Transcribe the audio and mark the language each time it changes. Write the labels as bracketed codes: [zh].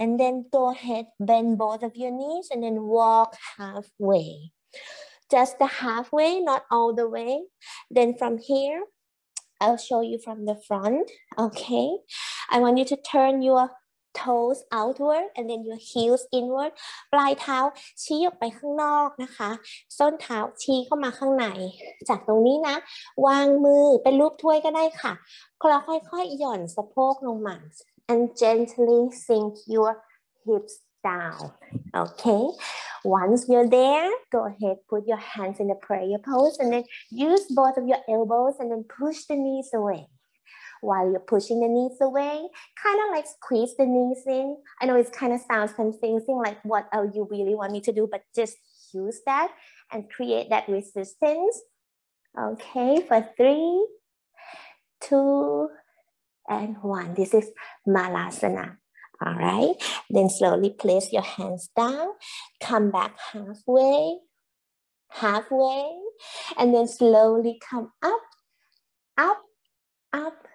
[en] And then go ahead, bend both of your knees and then walk halfway. Just the halfway, not all the way. Then from here, I'll show you from the front, okay? I want you to turn your toes outward and then your heels inward. [th] ปลายเท้าชี้ออกไปข้างนอกนะคะส้นเท้าชี้เข้ามาข้างในจากตรงนี้นะวางมือเป็นรูปถ้วยก็ได้ค่ะคลอค่อยๆหย่อนสะโพกลงมา [en] and gently sink your hips down okay once you're there go ahead put your hands in the prayer pose and then use both of your elbows and then push the knees awayWhile you're pushing the knees away, kind of like squeeze the knees in. I know it kind of sounds confusing, like what are you really want me to do, but just use that and create that resistance. Okay, for 3, 2, and 1. This is Malasana, all right? Then slowly place your hands down, come back halfway, halfway, and then slowly come up, up, up.